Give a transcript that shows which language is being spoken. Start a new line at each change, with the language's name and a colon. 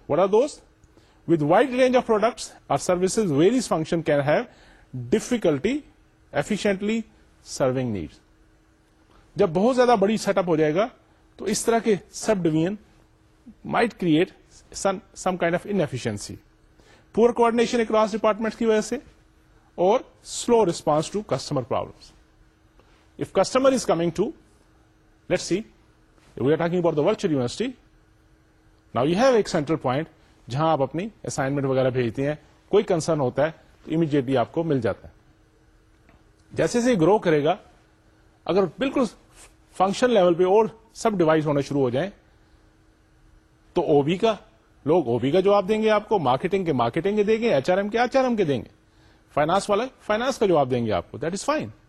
English: What are those? With wide range of products or services, various function can have difficulty efficiently serving needs.
Urdu: جب بہت زیادہ بڑی set up ہو جائے گا تو اس طرح کے سب division
English: might create some kind of inefficiency, poor coordination across department
Urdu: کی وجہ سے اور
English: Slow response to customer problem. If customer is coming to, let's say, we are talking about the virtual university. Now you have
Urdu: ایک سینٹرل پوائنٹ جہاں آپ اپنی assignment وغیرہ بھیجتے ہیں, کوئی کنسرن ہوتا ہے تو امیڈیٹلی آپ کو مل جاتا ہے. جیسے جیسے گرو کرے گا, اگر بالکل فنکشن لیول پہ اور سب ڈیوائس ہونا شروع ہو جائیں تو او بی کا لوگ او بی کا جواب دیں گے آپ کو, مارکیٹنگ کے دیں گے, ایچ آر ایم کے ایچ آر ایم کے دیں گے, فائنانس والا فائنانس کا جواب دیں گے آپ کو,
English: That is fine.